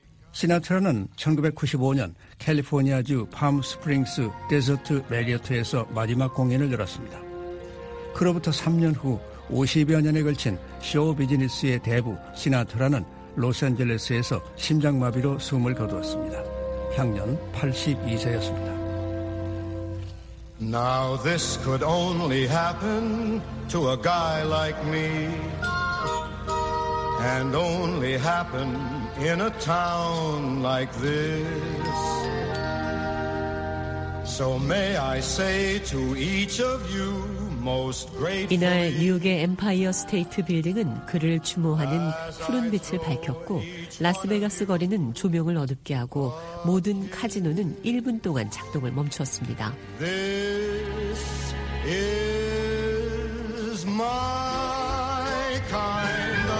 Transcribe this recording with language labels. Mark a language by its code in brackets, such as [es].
[ko] 시나트라는 1995년 캘리포니아주 팜 스프링스 데저트 메리어트에서 마지막 공연을 열었습니다. 그로부터 3년 후 50여 년에 걸친 쇼 비즈니스의 대부 시나트라는 로스앤젤레스에서 심장마비로 숨을 거두었습니다. 향년 82세였습니다. [en] Now this could only happen to a guy like me and only happen in a town like this. So may I say to each of you most grateful. [ko] 이날 뉴욕의 엠파이어 스테이트 빌딩은 그를 추모하는 푸른 빛을 밝혔고 라스베가스 거리는 조명을 어둡게 하고 모든 카지노는 1분 동안 작동을 멈췄습니다. [en] This is my kind.